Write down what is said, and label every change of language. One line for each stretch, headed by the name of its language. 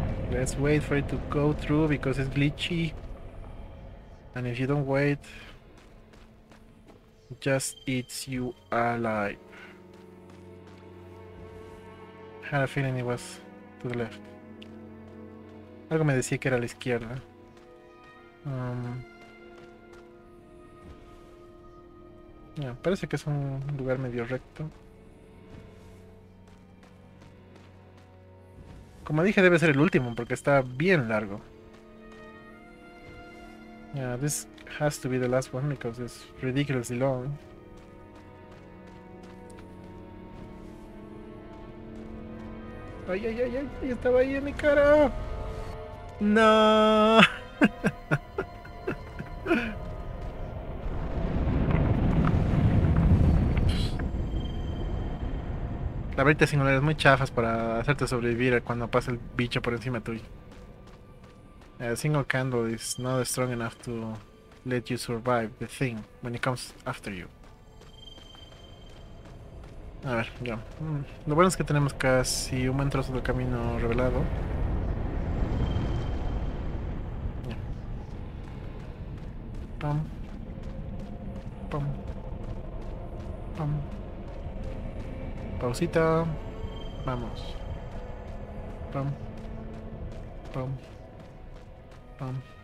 English: Let's wait for it to go through because it's glitchy. And if you don't wait, it just eats you alive. Had a feeling it was to the left.
Spanish: Algo me decía que era a la izquierda. Yeah, parece que es un lugar medio recto. Como dije, debe ser el último porque está bien largo.
English: Yeah, this has to be the last one because it's ridiculously long.
Spanish: Ay, ay, ay, ay, estaba ahí en mi cara. No. La verdad es que es muy chafas para hacerte sobrevivir cuando pasa el bicho por encima tuyo.
English: A single candle is not strong enough to let you survive the thing when it comes after you.
Spanish: A ver, ya. Lo bueno es que tenemos casi un buen trozo del camino revelado. Pam. Pam. Pam. Pausita. Vamos. Pam. Pam. Pam.